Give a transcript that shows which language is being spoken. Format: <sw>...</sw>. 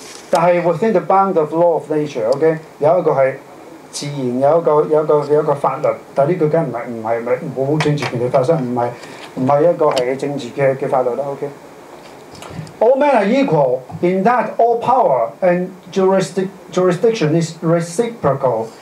<yue>但係</yue> <en>within the bound of law of nature，OK，、okay?</en> <yue>有一個係自然，有一個法律，但係呢個梗唔係冇政治權力發生，唔係一個係政治嘅法律啦 ，OK。</yue> <en>All men are equal in that all power and jurisdiction is reciprocal.</en>